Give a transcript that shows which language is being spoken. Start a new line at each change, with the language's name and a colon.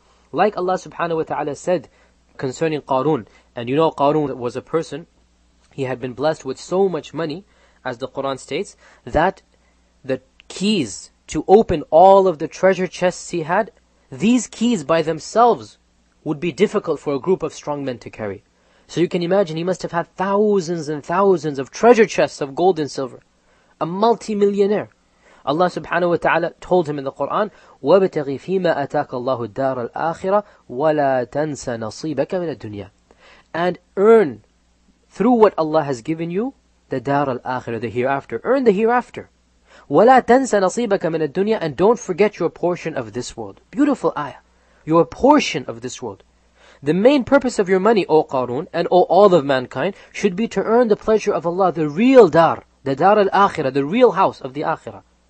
English: Like Allah subhanahu wa ta'ala said concerning Qarun, and you know Qarun was a person, he had been blessed with so much money, as the Quran states, that the keys to open all of the treasure chests he had, these keys by themselves would be difficult for a group of strong men to carry. So you can imagine he must have had thousands and thousands of treasure chests of gold and silver. A multi-millionaire. Allah subhanahu wa ta'ala told him in the Quran,
Arabic: وَابْتَغِ فِيمَا أَتَاكَ اللَّهُ الدَّارَ الْآخِرَةِ وَلَا تَنْسَ نَصِيبَكَ مِنَ الدُّنْيَا.
English: And earn through what Allah has given you, the دار الآخرة, the hereafter. Earn the hereafter.
Arabic: وَلَا تَنْسَ نَصِيبَكَ مِنَ الدُّنْيَا.
English: And don't forget your portion of this world. Beautiful ayah. Your portion of this world. The main purpose of your money, O Qarun, and O all of mankind, should be to earn the pleasure of Allah, the real dar, the dar al-akhirah, the real house of the akhirah.